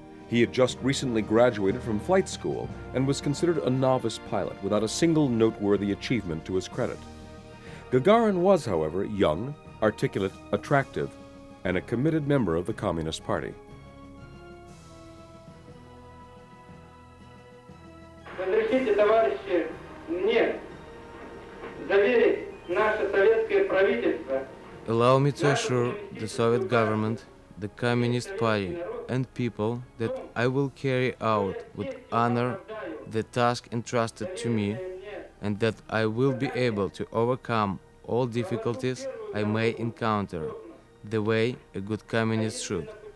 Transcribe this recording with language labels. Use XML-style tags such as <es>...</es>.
<en>He had just recently graduated from flight school and was considered a novice pilot without a single noteworthy achievement to his credit. Gagarin was, however, young, articulate, attractive, and a committed member of the Communist Party.</en> <ru>Разрешите, товарищи, мне заверить наше советское правительство.</ru> <en>Allow me to assure the Soviet government, the Communist Party, and people that I will carry out with honor the task entrusted to me, and that I will be able to overcome all difficulties I may encounter the way a good communist should.</en>